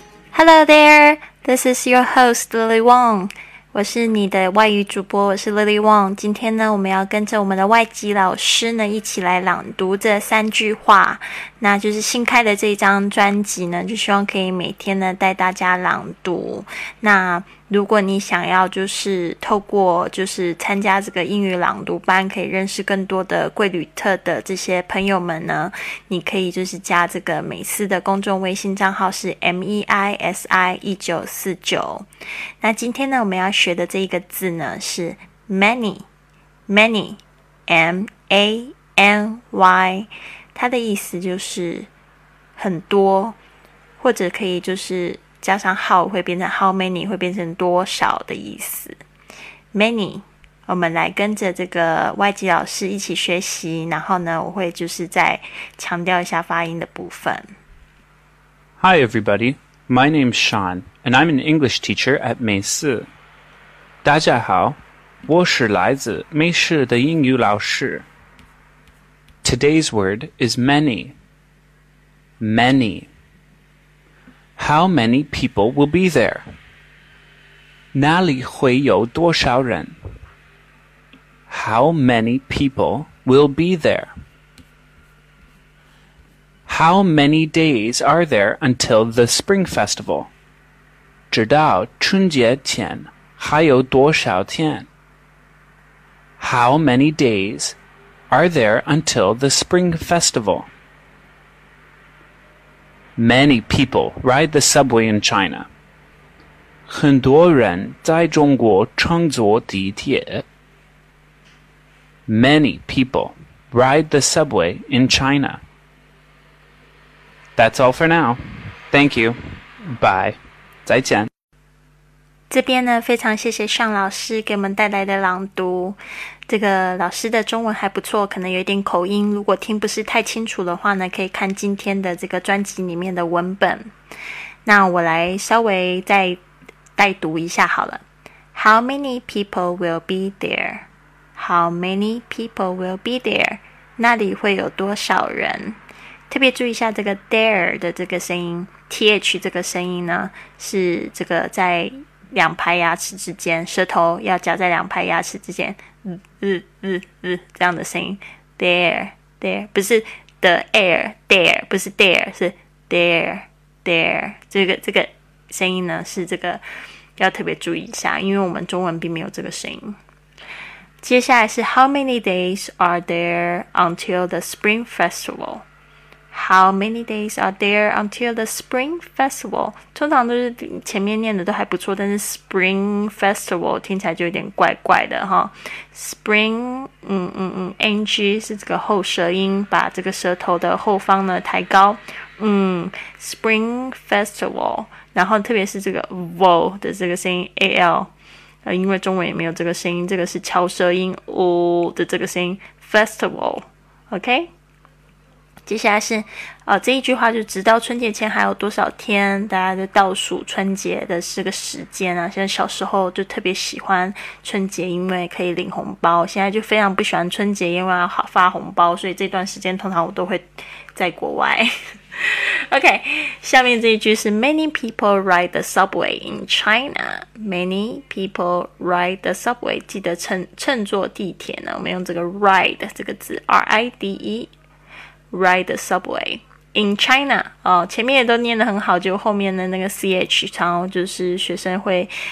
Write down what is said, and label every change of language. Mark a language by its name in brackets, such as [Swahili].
[English] Hello there, this is your host Lily Wong. [Chinese] 我是你的外语主播，我是 Lily Wong。今天呢，我们要跟着我们的外籍老师呢，一起来朗读这三句话。那就是新开的这一张专辑呢，就希望可以每天呢带大家朗读。那如果你想要就是透过就是参加这个英语朗读班，可以认识更多的贵旅特的这些朋友们呢，你可以就是加这个美思的公众微信账号是 MEISI1949。那今天呢我们要学的这一个字呢是 many M-A-N-Y， 它的意思就是很多，或者可以就是加上 how 会变成 [English] how many， [Chinese] 会变成多少的意思。 many， 我们来跟着这个外籍老师一起学习，然后呢我会就是再强调一下发音的部分。 [English] Hi everybody, my name's Sean and I'm an English teacher at 美思。 [Chinese] 大家好，我是来自美思的英语老师。 [English] Today's word is many. How many people will be there? [Chinese] 那里会有多少人? [English] How many people will be there? How many days are there until the spring festival? [Chinese] 直到春节前还有多少天? [English] How many days are there until the spring festival? Many people ride the subway in China. [Chinese] 很多人在中国乘坐地铁。 [English] Many people ride the subway in China. That's all for now. Thank you. Bye. [Chinese] 再见。这边呢，非常谢谢Sean老师给我们带来的朗读。这个老师的中文还不错，可能有点口音，如果听不是太清楚的话呢，可以看今天的这个专辑里面的文本。那我来稍微再带读一下好了。 [English] How many people will be there? How many people will be there? [Chinese] 那里会有多少人？特别注意一下这个 there 的这个声音， TH 这个声音呢，是这个在两排牙齿之间，舌头要夹在两排牙齿之间，这样的声音。 there 不是 [English] the air， [Chinese] there 不是 there， 是 there 这个声音呢是这个要特别注意一下，因为我们中文并没有这个声音。接下来是 [English] how many days are there until the spring festival？ How many days are there until the spring festival？ [Chinese] 通常都是前面念的都还不错，但是 spring festival 听起来就有点怪怪的哈。 Spring， ng 是这个后舌音，把这个舌头的后方呢抬高。 Spring festival， 然后特别是这个 vo 的这个声音 al， 因为中文也没有这个声音，这个是翘舌音 o 的这个声音 festival。 [English] OK。 [Chinese] 接下来是这一句话就直到春节前还有多少天，大家就倒数春节的这个时间啊。现在小时候就特别喜欢春节，因为可以领红包，现在就非常不喜欢春节，因为要发红包，所以这段时间通常我都会在国外。 [English] OK， [Chinese] 下面这一句是 [English] Many people ride the subway in China. Many people ride the subway， [Chinese] 记得乘坐地铁呢，我们用这个 ride 这个字 R-I-D-E [English] Ride the subway in China、 [Chinese] 哦、前面也都念得很好，就后面的那个 CH 常就是学生会